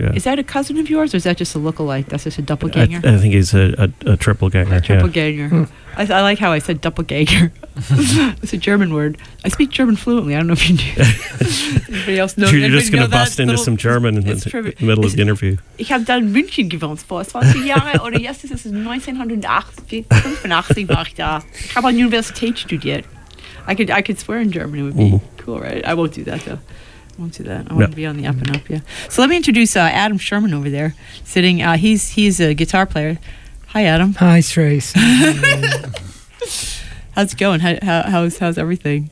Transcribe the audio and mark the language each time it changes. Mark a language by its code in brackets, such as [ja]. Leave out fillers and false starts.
[en] Yeah. Is that a cousin of yours, or is that just a lookalike? That's just a doppelganger. I think he's a triple ganger. I like how I said doppelganger. It's a German word. I speak German fluently. I don't know if you do. Anybody else know? You're just going to bust into some German in the middle of the interview. [de] Ich habe dann München gewohnt vor 20 Jahren, oder jetzt ist es 1985 war ich da. Ich habe an der Universität studiert. [en] I could swear in German. It would be cool, right? I won't do that, though. I want to be on the up and up, yeah. So let me introduce Adam Sherman over there, sitting. He's a guitar player. Hi, Adam. Hi, Trace. How's it going? How's everything?